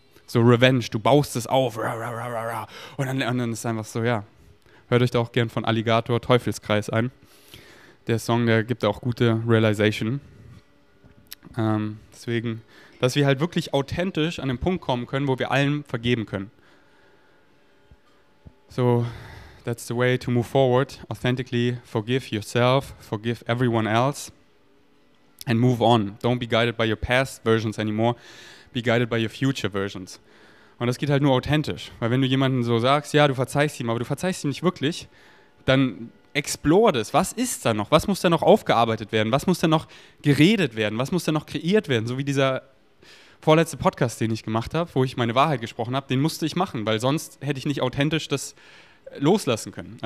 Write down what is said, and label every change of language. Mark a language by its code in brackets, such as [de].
[de] So Revenge, du baust es auf. Und dann ist es einfach so, ja. Hört euch da auch gern von Alligator Teufelskreis an. Der Song, der gibt da auch gute Realization. Deswegen, dass wir halt wirklich authentisch an den Punkt kommen können, wo wir allen vergeben können. [en] So, that's the way to move forward. Authentically forgive yourself, forgive everyone else and move on. Don't be guided by your past versions anymore. Be guided by your future versions. [de] Und das geht halt nur authentisch. Weil wenn du jemanden so sagst, ja, du verzeihst ihm, aber du verzeihst ihm nicht wirklich, dann explore das. Was ist da noch? Was muss da noch aufgearbeitet werden? Was muss da noch geredet werden? Was muss da noch kreiert werden? So wie dieser vorletzte Podcast, den ich gemacht habe, wo ich meine Wahrheit gesprochen habe, den musste ich machen, weil sonst hätte ich nicht authentisch das loslassen können.